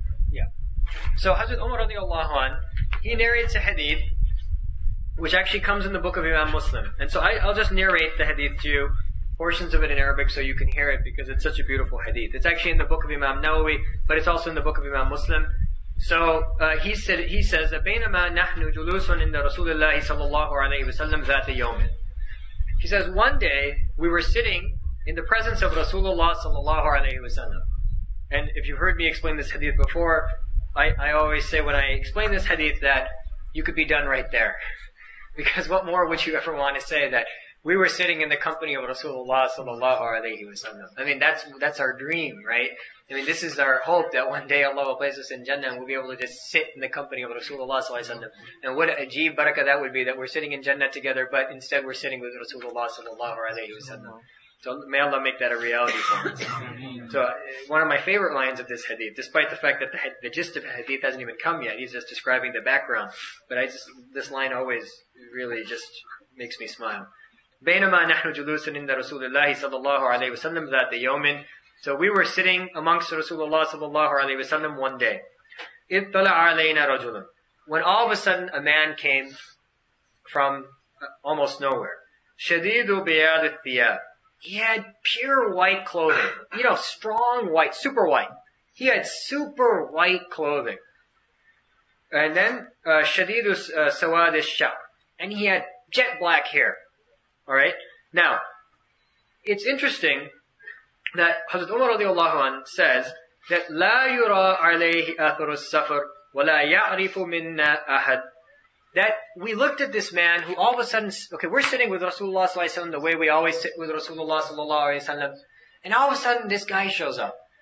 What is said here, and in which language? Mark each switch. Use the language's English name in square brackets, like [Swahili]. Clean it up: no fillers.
[English] Yeah. So Hazrat Umar radiallahu an, he narrates a hadith which actually comes in the book of Imam Muslim. And so I'll just narrate the hadith to you. Portions of it in Arabic so you can hear it because it's such a beautiful hadith. It's actually in the book of Imam Nawawi, but it's also in the book of Imam Muslim. So he says that [Arabic] بينما نحن جلوس عند رسول الله صلى الله عليه وسلم ذات يوم. [English] He says one day we were sitting in the presence of Rasulullah صلى الله عليه وسلم. And if you've heard me explain this hadith before, I always say when I explain this hadith that you could be done right there, because what more would you ever want to say that we were sitting in the company of Rasulullah sallallahu alayhi wa sallam. I mean, that's our dream, right? I mean, this is our hope that one day Allah will place us in Jannah and we'll be able to just sit in the company of Rasulullah sallallahu alayhi wa sallam. And what ajeeb barakah that would be, that we're sitting in Jannah together, but instead we're sitting with Rasulullah sallallahu alayhi wa sallam. So may Allah make that a reality for us. So one of my favorite lines of this hadith, despite the fact that the gist of the hadith hasn't even come yet, he's just describing the background. But this line always really just makes me smile. [Arabic] بينما نحن جلوس عند رسول الله صلى الله عليه وسلم ذات يوم. [English] So we were sitting amongst Rasulullah صلى الله عليه وسلم one day. [Arabic] إذ طلع علينا رجل. [English] When all of a sudden a man came from almost nowhere. [Arabic] شديد بياض الثياب. [English] He had pure white clothing. You know, strong white, super white. He had super white clothing. And then [Arabic] شديد سواد الشعر. [English] And he had jet black hair. All right. Now, it's interesting that Hazrat Umar radiallahu anhu says that [Arabic] لا يرى عليه أثر السفر ولا يعرف منا أحد. [English] That we looked at this man who all of a sudden, okay, we're sitting with Rasulullah sallallahu alaihi wasallam the way we always sit with Rasulullah sallallahu alaihi wasallam, and all of a sudden this guy shows up.